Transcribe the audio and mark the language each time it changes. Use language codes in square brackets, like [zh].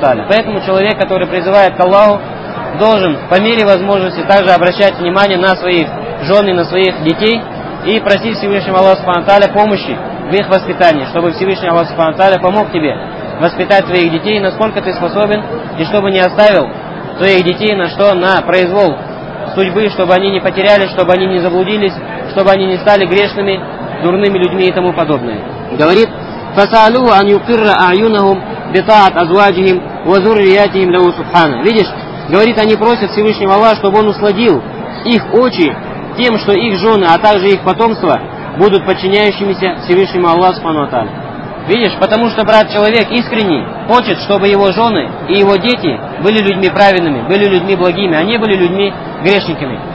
[ru] Поэтому человек, который призывает к Аллаху, должен по мере возможности также обращать внимание на своих жен и на своих детей и просить Всевышнего Аллаха помощи в их воспитании, чтобы Всевышний Аллах помог тебе воспитать твоих детей, насколько ты способен, и чтобы не оставил твоих детей на что? На произвол судьбы, чтобы они не потерялись, чтобы они не заблудились, чтобы они не стали грешными, дурными людьми и тому подобное. Говорит, [ar] فَسَأَلُوهُ أَنْ يُقِرَّ أَعْيُنَهُمْ بِطَاعَةِ أَزْوَاجِهِمْ وَذُرِّيَّاتِهِمْ لَهُ سُبْحَانَهُ. [ru] Видишь, Говорит, они просят Всевышнего Аллаха, чтобы он усладил их очи тем, что их жены, а также их потомство будут подчиняющимися Всевышнему Аллаху Субхану ва Тааля. Видишь, потому что брат человек искренний, хочет, чтобы его жены и его дети были людьми праведными, были людьми благими, а не были людьми грешниками.